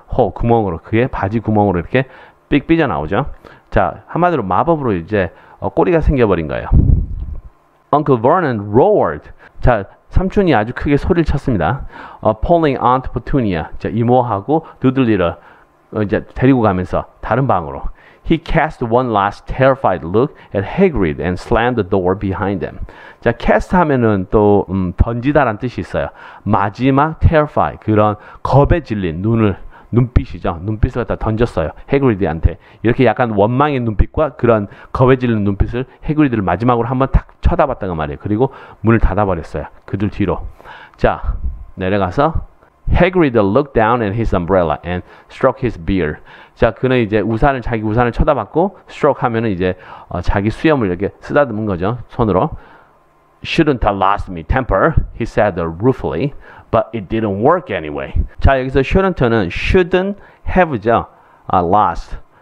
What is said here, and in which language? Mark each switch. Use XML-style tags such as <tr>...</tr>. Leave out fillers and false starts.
<ko>호 구멍으로 그의 바지 구멍으로 이렇게 삑 삐져 나오죠. 자, 한마디로 마법으로 이제 꼬리가 생겨버린 거예요.</ko> <en>Uncle Vernon roared.</en> <ko>자, 삼촌이 아주 크게 소리를 쳤습니다.</ko> <en>Pulling Aunt Petunia.</en> <ko>자, 이모하고 두들리를 이제 데리고 가면서 다른 방으로.</ko> <en>He cast one last terrified look at Hagrid and slammed the door behind them.</en> <ko>자, cast 하면은 또 던지다란 뜻이 있어요. 마지막 terrified 그런 겁에 질린 눈빛이죠. 눈빛을 갖다 던졌어요. 해그리드한테 이렇게 약간 원망의 눈빛과 그런 겁에 질린 눈빛을 해그리드를 마지막으로 한번 탁 쳐다봤다는 말이에요. 그리고 문을 닫아버렸어요. 그들 뒤로. 자, 내려가서</ko> <en>Hagrid looked down at his umbrella and stroked his beard.</en> <ko>자, 그는 이제 우산을 자기 우산을 쳐다봤고 stroke 하면은 이제 자기 수염을 이렇게 쓰다듬은 거죠. 손으로.</ko> <en>Shouldn't have lost me temper, he said ruefully, but it didn't work anyway.</en> <ko>자, 여기서 shouldn't는</ko> <en>shouldn't have</en> <ko>죠. Lost.</ko>